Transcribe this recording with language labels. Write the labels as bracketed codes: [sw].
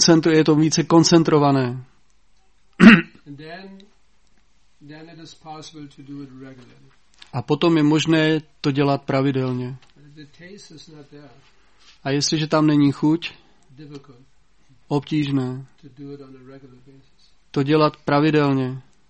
[cs] Je to více koncentrované. [en] Then it is possible to do it regularly. [cs] A potom je možné to dělat pravidelně. [en] The taste is not there. [cs] A jestliže tam není chuť, [en] difficult. [cs] Obtížné [en] to do it on a regular basis. [cs] To dělat pravidelně.